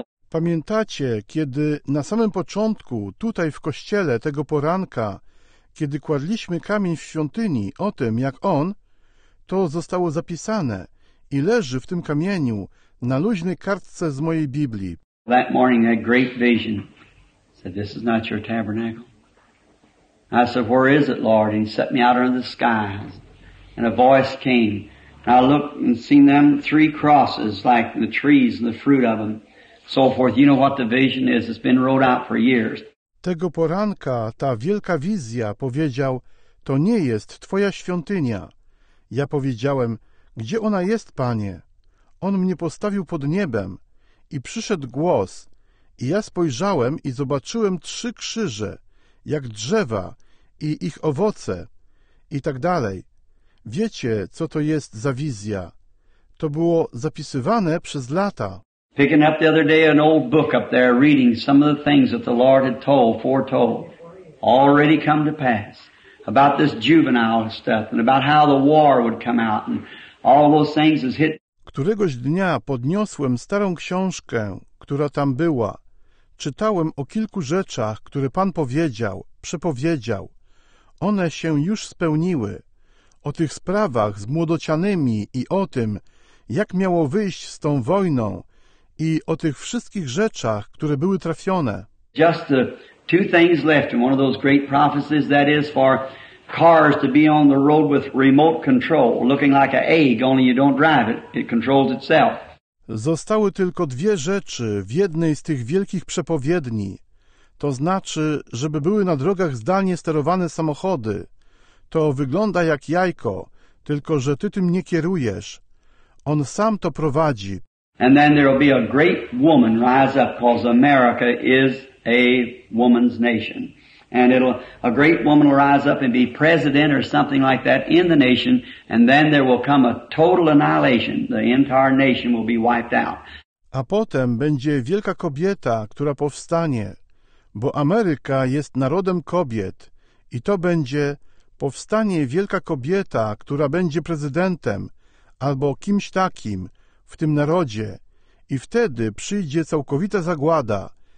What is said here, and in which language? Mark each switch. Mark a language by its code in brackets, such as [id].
[pl] Pamiętacie, kiedy na samym początku, tutaj w kościele tego poranka, kiedy kładliśmy kamień w świątyni o tym, jak on, to zostało zapisane i leży w tym kamieniu na luźnej kartce z mojej Biblii. [en] That morning a great vision. I said, this is not your tabernacle. I said, where is it, Lord? And He set me out under the sky. And a voice came. I looked and seen them 3 crosses, like the trees and the fruit of them, so forth. You know what the vision is. It's been rolled out for years. [pl] Tego poranka ta wielka wizja powiedział: to nie jest Twoja świątynia. Ja powiedziałem: gdzie ona jest, Panie? On mnie postawił pod niebem i przyszedł głos, i ja spojrzałem i zobaczyłem trzy krzyże, jak drzewa i ich owoce i tak dalej. Wiecie, co to jest za wizja? To było zapisywane przez lata. [en] Picking up the other day an old book up there, reading some of the things that the Lord had told, foretold, already come to pass, about this juvenile stuff and about how the war would come out and all those things has hit. [pl] Któregoś dnia podniosłem starą książkę, która tam była. Czytałem o kilku rzeczach, które Pan powiedział, przepowiedział. One się już spełniły. O tych sprawach z młodocianymi i o tym, jak miało wyjść z tą wojną, i o tych wszystkich rzeczach, które były trafione. [en] Just the two things left in one of those great prophecies, that is for cars to be on the road with remote control, looking like an egg, only you don't drive it, it controls itself. [pl] Zostały tylko dwie rzeczy w jednej z tych wielkich przepowiedni. To znaczy, żeby były na drogach zdalnie sterowane samochody. To wygląda jak jajko, tylko że ty tym nie kierujesz. On sam to prowadzi. [en] And then there'll be a great woman rise up, because America is a woman's nation. And a great woman will rise up and be president or something like that in the nation, and then there will come a total annihilation. The entire nation will be wiped out. [pl] A potem będzie wielka kobieta, która powstanie, bo Ameryka jest narodem kobiet, i to będzie powstanie wielka kobieta, która będzie prezydentem albo kimś takim w tym narodzie, i wtedy przyjdzie całkowita zagłada.